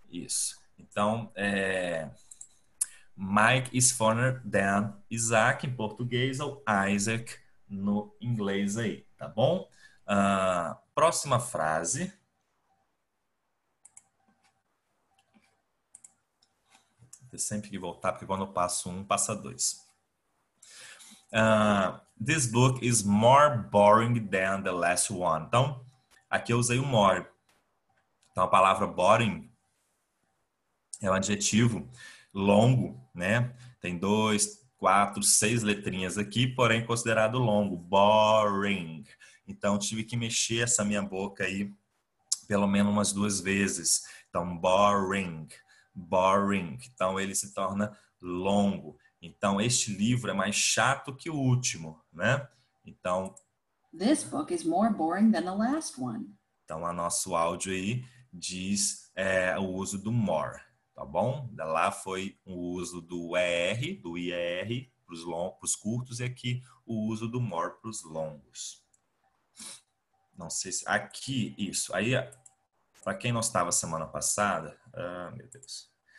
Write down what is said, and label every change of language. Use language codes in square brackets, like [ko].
[pt] Isso. Então, [en] Mike is funnier than Isaac [pt] em português, ou Isaac no inglês aí, tá bom? Próxima frase. Tem sempre que voltar, porque quando eu passo um, passa dois. [en] This book is more boring than the last one. [pt] Então, aqui eu usei o more. Então, a palavra boring é um adjetivo longo, né? Tem 2, 4, 6 letrinhas aqui, porém considerado longo. Boring. Então, tive que mexer essa minha boca aí pelo menos umas 2 vezes. Então, boring. Boring, então ele se torna longo. Então este livro é mais chato que o último, né? Então [en] this book is more boring than the last one. [pt] Então o nosso áudio aí diz o uso do more, tá bom? Lá foi o uso do er, do ir pros curtos, e aqui o uso do more pros longos. Não sei se aqui isso. Aí para quem não estava semana passada, meu Deus.